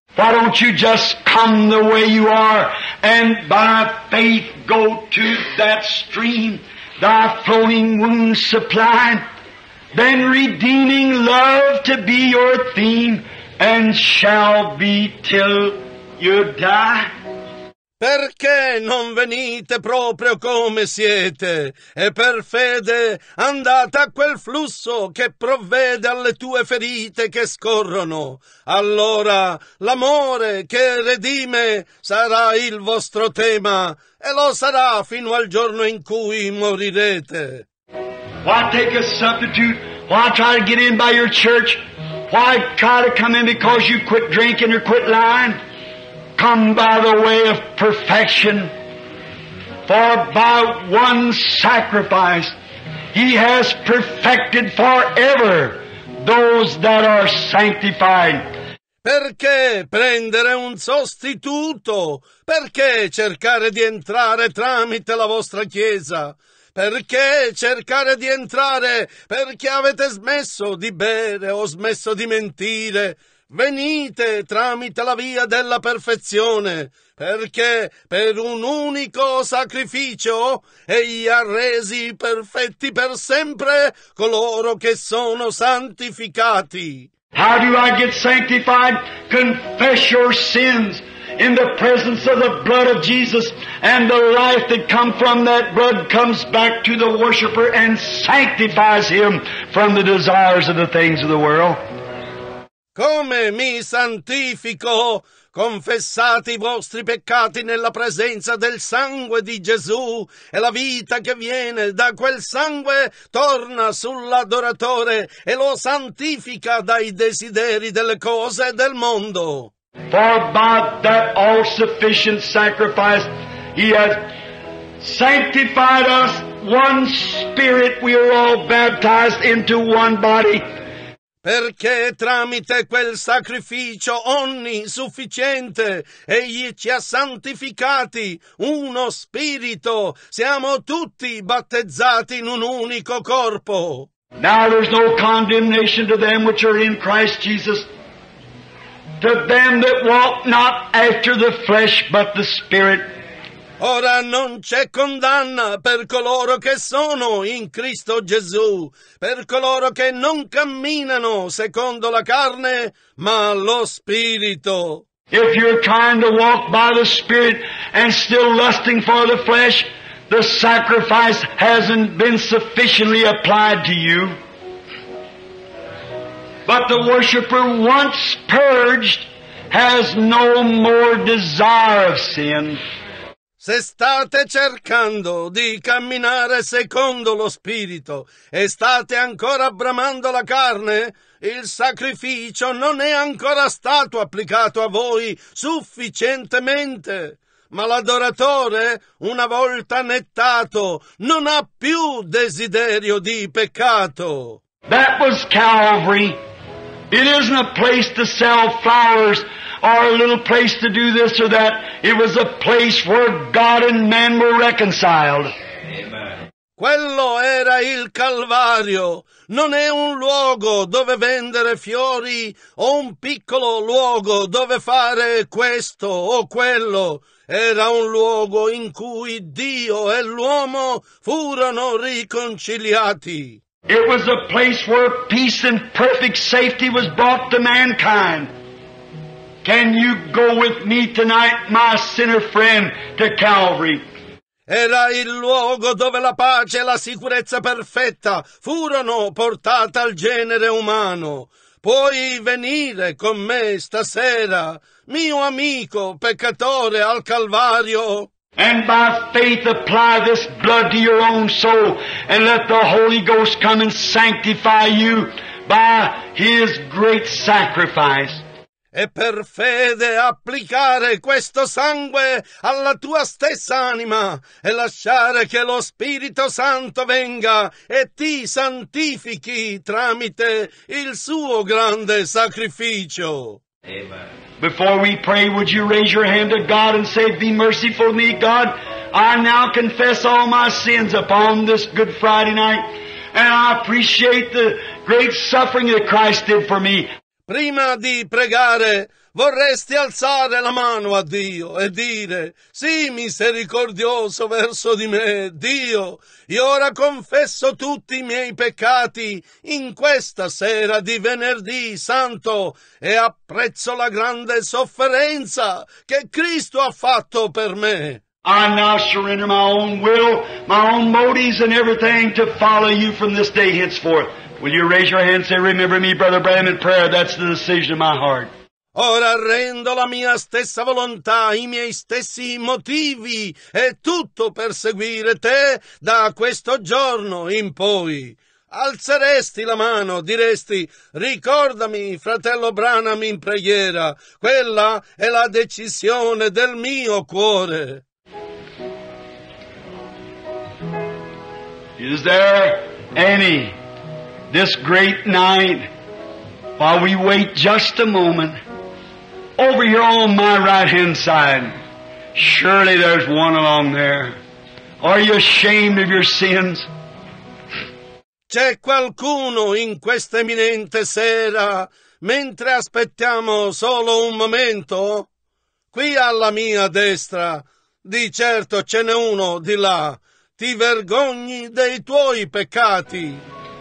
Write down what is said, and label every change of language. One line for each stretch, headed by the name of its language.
English: Why don't you just come the way you are and by faith go to that stream, thy flowing wounds supply, then redeeming love to be your theme and shall be till you die?
Italian: Perché non venite proprio come siete e per fede andate a quel flusso che provvede alle tue ferite che scorrono? Allora l'amore che redime sarà il vostro tema e lo sarà fino al giorno in cui morirete.
English: Why take a substitute? Why try to get in by your church? Why try to come in because you quit drinking or quit lying? Come by the way of perfection, for by one sacrifice he has perfected forever those that are sanctified.
Italian: Perché prendere un sostituto? Perché cercare di entrare tramite la vostra chiesa? Perché cercare di entrare perché avete smesso di bere o smesso di mentire? Venite tramite la via della perfezione, perché per un unico sacrificio egli ha resi perfetti per sempre coloro che sono santificati.
English: How do I get sanctified? Confess your sins in the presence of the blood of Jesus, and the life that comes from that blood comes back to the worshiper and sanctifies him from the desires of the things of the world.
Italian: Come mi santifico? Confessate i vostri peccati nella presenza del sangue di Gesù e la vita che viene da quel sangue torna sull'adoratore e lo santifica dai desideri delle cose del mondo.
English: For by that all sufficient sacrifice he has sanctified us one spirit, we are all baptized into one body.
Italian: Perché tramite quel sacrificio onnisufficiente egli ci ha santificati uno spirito, siamo tutti battezzati in un unico corpo.
English: Now there's no condemnation to them which are in Christ Jesus, to them that walk not after the flesh but the Spirit.
Italian: Ora non c'è condanna per coloro che sono in Cristo Gesù, per coloro che non camminano secondo la carne, ma lo Spirito.
English: If you're trying to walk by the Spirit and still lusting for the flesh, the sacrifice hasn't been sufficiently applied to you. But the worshiper, once purged, has no more desire of sin.
Italian: Se state cercando di camminare secondo lo Spirito e state ancora bramando la carne, il sacrificio non è ancora stato applicato a voi sufficientemente. Ma l'adoratore, una volta nettato, non ha più desiderio di peccato.
English: That was Calvary. It isn't a place to sell flowers or a little place to do this or that. It was a place where God and man were reconciled.
Italian: Quello era il Calvario. Non è un luogo dove vendere fiori o un piccolo luogo dove fare questo o quello. Era un luogo in cui Dio e l'uomo furono riconciliati.
English: It was a place where peace and perfect safety was brought to mankind. Can you go with me tonight, my sinner friend, to Calvary?
Italian: Era il luogo dove la pace e la sicurezza perfetta furono portate al genere umano. Puoi venire con me stasera, mio amico peccatore, al Calvario.
English: And by faith apply this blood to your own soul and let the Holy Ghost come and sanctify you by His great sacrifice.
Italian: E per fede applicare questo sangue alla tua stessa anima e lasciare che lo Spirito Santo venga e ti santifichi tramite il suo grande sacrificio.
English: Amen. Before we pray, would you raise your hand to God and say, be merciful to me, God. I now confess all my sins upon this Good Friday night, and I appreciate the great suffering that Christ did for me.
Italian: Prima di pregare, vorresti alzare la mano a Dio e dire, sii misericordioso verso di me, Dio, io ora confesso tutti i miei peccati in questa sera di venerdì santo e apprezzo la grande sofferenza che Cristo ha fatto per me.
English: I now surrender my own will, my own motives and everything to follow you from this day henceforth. Will you raise your hand and say, remember me, Brother Branham, in prayer? That's the decision of my heart.
Italian: Ora rendo la mia stessa volontà, i miei stessi motivi, e tutto per seguire te da questo giorno in poi. Alzeresti la mano, diresti, ricordami, fratello Branham, in preghiera. Quella è la decisione del mio cuore.
English: Is there any this great night, while we wait just a moment, over here on my right-hand side, surely there's one along there. Are you ashamed of your sins?
Italian: C'è qualcuno in questa imminente sera, mentre aspettiamo solo un momento? Qui alla mia destra, di certo ce n'è uno di là. Ti vergogni dei tuoi peccati?